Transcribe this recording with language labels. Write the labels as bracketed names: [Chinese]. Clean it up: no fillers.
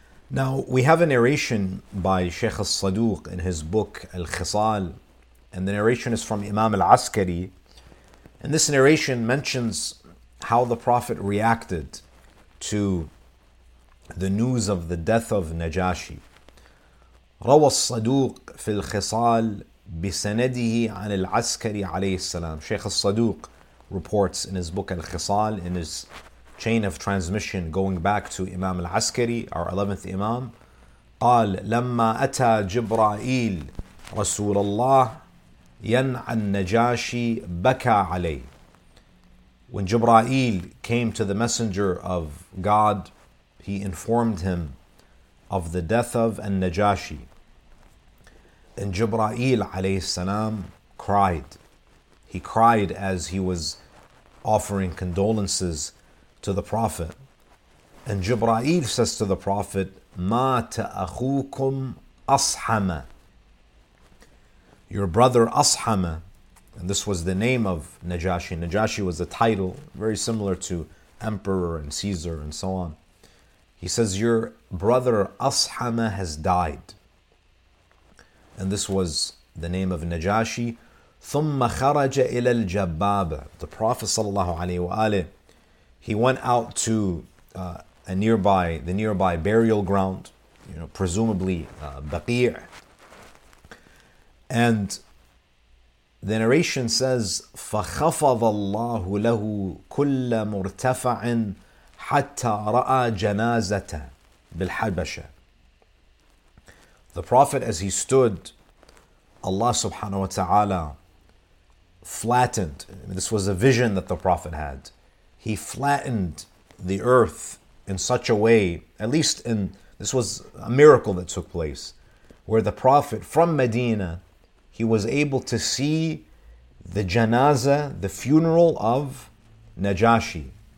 [English] Now, we have a narration by Sheikh al-Saduq in his book Al-Khisal, and the narration is from Imam al-Askari. And this narration mentions how the Prophet reacted to the news of the death of Najashi. [Arabic] روى الصدوق في الخصال بسنده عن العسكري عليه السلام. [English] Sheikh al-Saduq reports in his book Al-Khisal, in his chain of transmission going back to Imam al-Askari, our 11th Imam. [Arabic] قال لما أتى جبرائيل رسول الله ينعى النجاشي بكى عليه. [English] When Jibra'il came to the messenger of God, he informed him of the death of An-Najashi. And Jibra'il alayhi salam cried. He cried as he was offering condolences to the Prophet. And Jibra'il says to the Prophet, [Arabic] مَا تَأَخُوكُمْ أَصْحَمَ. [English] Your brother Ashama, and this was the name of Najashi. Najashi was a title, very similar to emperor and Caesar and so on. He says, your brother Ashama has died. And this was the name of Najashi. [Arabic] ثُمَّ خَرَجَ إِلَى الْجَبَّابَ. [English] The Prophet sallallahu alayhi wa alayhi, he went out to the nearby burial ground, you know, presumably Baqi'. And the narration says, [Arabic] فَخَفَضَ اللَّهُ لَهُ كُلَّ مُرْتَفَعٍ حَتَّى رَأَى جَنَازَةَ بِالْحَبَشَةَ. [English] The Prophet, as he stood, Allah subhanahu wa ta'ala flattened. This was a vision that the Prophet had. He flattened the earth in such a way, at least in, this was a miracle that took place, where the Prophet from Medina, he was able to see the janaza, the funeral of Najashi.